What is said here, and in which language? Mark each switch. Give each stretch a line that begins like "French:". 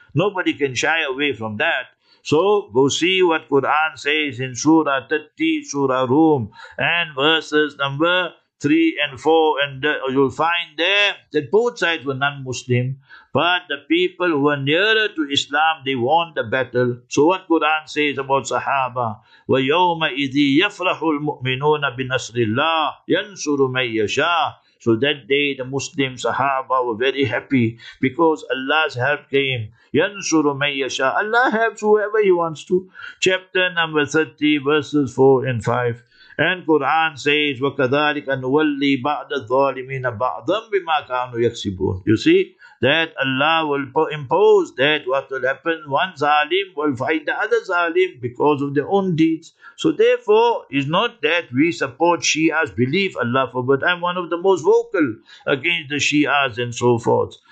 English: Nobody can shy away from that. So go see what Quran says in Surah 30, Surah Rum, and verses number 3 and 4, and you'll find there that both sides were non-Muslim, but the people who were nearer to Islam, they won the battle. So what Quran says about Sahaba,
Arabic: وَيَوْمَ إِذِي يَفْرَحُ الْمُؤْمِنُونَ بِنَصْرِ اللَّهِ يَنْصُرُ مَنْ يَشَاءُ.
English: So that day the Muslim Sahaba were very happy because Allah's help came.
Arabic: يَنْصُرُ مَنْ يَشَاءُ.
English: Allah helps whoever he wants to. Chapter number 30, verses 4 and 5. And Quran says,
Arabic: وَكَذَلِكَ نُوَلِّي بَعْدَ الظَّالِمِينَ بَعْضًا بِمَا كَانُوا يَكْسِبُونَ.
English: You see, that Allah will impose that what will happen, one zalim will fight the other zalim because of their own deeds. So therefore, it's not that we support Shias, believe Allah forbid, I'm one of the most vocal against the Shias and so forth.